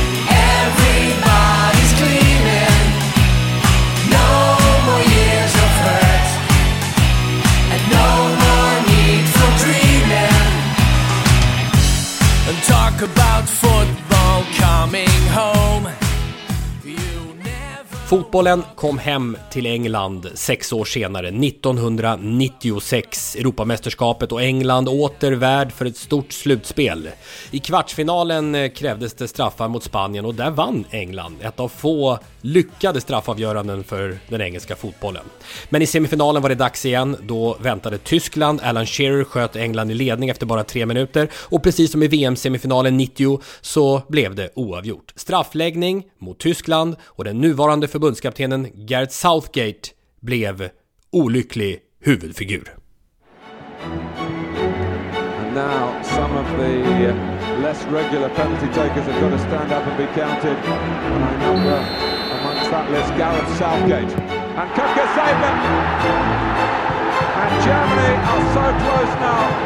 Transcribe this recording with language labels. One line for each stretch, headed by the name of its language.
English: Everybody's gleaming. No more years of hurt. And no more need for dreaming. And talk about football coming home.
Swedish: Fotbollen kom hem till England 6 år senare, 1996, Europamästerskapet, och England åter värd för ett stort slutspel. I kvartsfinalen krävdes det straffar mot Spanien, och där vann England, ett av få lyckade straffavgöranden för den engelska fotbollen. Men i semifinalen var det dags igen, då väntade Tyskland, Alan Shearer sköt England i ledning efter bara 3 minuter, och precis som i VM-semifinalen 90 så blev det oavgjort. Straffläggning mot Tyskland, och den nuvarande förbundskaptenen Gareth Southgate blev olycklig huvudfigur.
English: And now some of the less regular penalty takers have got to stand up and be counted. And I number amongst that list Gareth Southgate. And Köpke saved it. And Germany are so close now.